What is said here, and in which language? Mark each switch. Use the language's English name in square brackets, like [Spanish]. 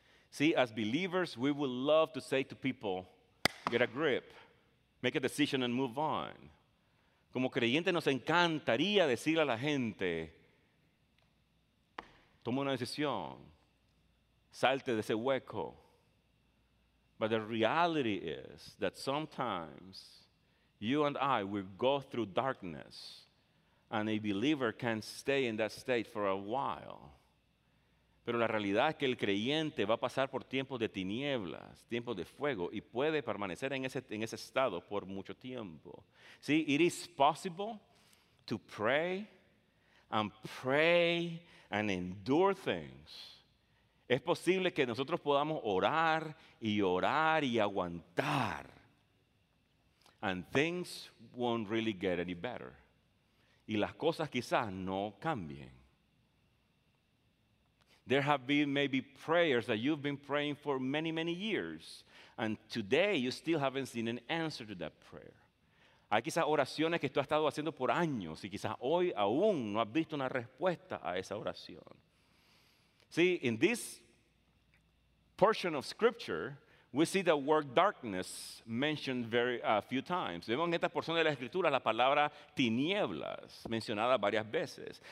[English] See, as believers, we would love to say to people, get a grip, make a decision and move on. [Spanish] Como creyente nos encantaría decirle a la gente, toma una decisión, salte de ese hueco. [English] But the reality is that sometimes you and I will go through darkness and a believer can stay in that state for a while. [Spanish] Pero la realidad es que el creyente va a pasar por tiempos de tinieblas, tiempos de fuego, y puede permanecer en ese estado por mucho tiempo. [English] See, it is possible to pray and endure things. [Spanish] Es posible que nosotros podamos orar y aguantar. [English] And things won't really get any better. [Spanish] Y las cosas quizás no cambien. [English] There have been maybe prayers that you've been praying for many, many years, and today you still haven't seen an answer to that prayer. [Spanish] Hay quizás oraciones que tú has estado haciendo por años y quizás hoy aún no has visto una respuesta a esa oración. [English] See, in this portion of Scripture, we see the word darkness mentioned a few times. [Spanish] Vemos en esta porción de la Escritura la palabra tinieblas mencionada varias veces.